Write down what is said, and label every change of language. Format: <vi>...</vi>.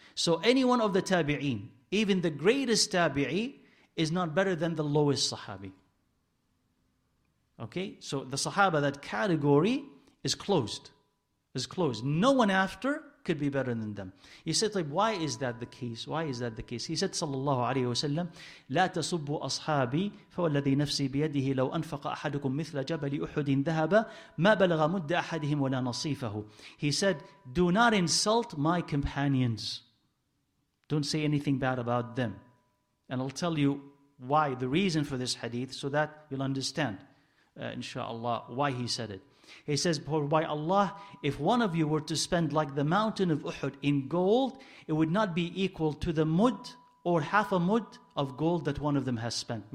<en>So any one of the tabi'een, even the greatest tabi'i, is not better than the lowest sahabi. Okay, so the sahaba, that category is closed. Is closed. No one after could be better than them. He said, like, why is that the case? Why is that the case? He said, sallallahu alayhi wa sallam,</en> <ar>لا تصبوا أصحابي فوالذي نفسي بيده لو أنفق أحدكم مثل جبل أحد ذهبا ما بلغ مد أحدهم ولا نصيفه.</ar> <en>He said, do not insult my companions. Don't say anything bad about them. And I'll tell you why, the reason for this hadith, so that you'll understand, inshallah, why he said it. He says, by Allah, if one of you were to spend like the mountain of Uhud in gold, it would not be equal to the mud or half a mud of gold that one of them has spent.</en>